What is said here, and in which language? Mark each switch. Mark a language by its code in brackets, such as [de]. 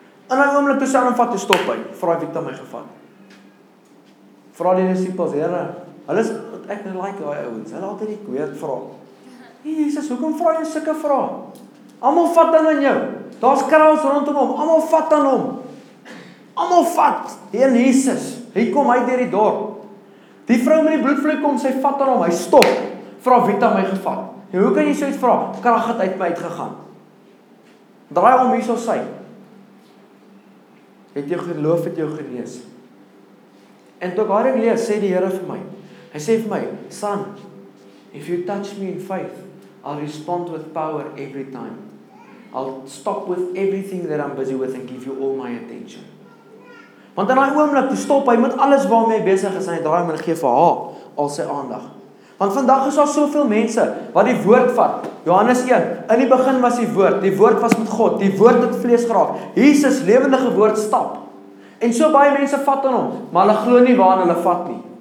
[af] In 'n oomblik toe sy aan hom vat, toe stop hy. Vra hy wie het aan my gevat. Vra die disippels, Here, hulle is, ek nie like die ouens, hulle altyd die weird vraag. Hey Jesus, hoekom vra jy sulke vrae? Almal vat dan aan jou. Daar's kraals rondom hom. Almal vat aan hom. Almal vat. Heer Jesus. Hy kom uit deur die dorp. Die vrou met die bloedvloei kom, sy vat aan hom. Hy stop. Vra wie het aan my gevat. En hoe kan jy soiets vra? Krag het uit my uitgegaan. Draai om hierso sy. Het jou geloof het jou genees. En toe ek haar lees, sê die Here vir my. Hy sê vir my, [en] son, if you touch me in faith, I'll respond with power every time. I'll stop with everything that I'm busy with and give you all my attention. [af] Want in hy oomblik te stop, hy moet alles waarmee hy besig is en hy draai om en gee vir haar al sy aandag. Want vandag is daar soveel mense wat die woord vat. Johannes 1, in die begin was die woord was met God, die woord het vlees geraak. Jesus, lewendige woord, stap. En so baie mense vat aan hom, maar hulle glo nie waar hulle vat nie.